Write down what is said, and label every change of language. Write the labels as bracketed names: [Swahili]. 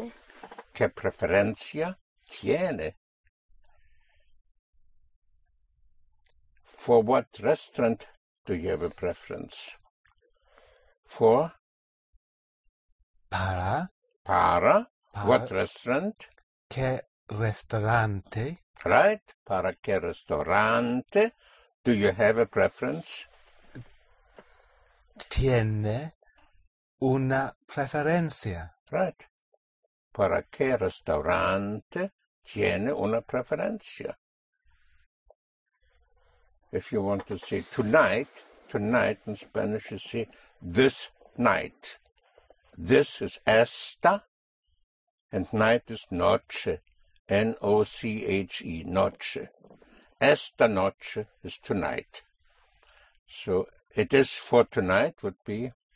[English] Right. [Spanish] ¿Qué preferencia tiene? [English] For what restaurant do you have a preference? For? [Spanish] Para. Para. [English] What restaurant? [Spanish] ¿Qué restaurante? [English] Right. [Spanish] ¿Para qué restaurante? [English] Do you have a preference? [Spanish] Tiene una preferencia. [English] Right. [Spanish] ¿Para qué restaurante tiene una preferencia? [English] If you want to say tonight, tonight in Spanish you say this night. This is esta. And night is noche, N-O-C-H-E, noche. [Spanish] Esta noche [English] is tonight. So it is for tonight would be?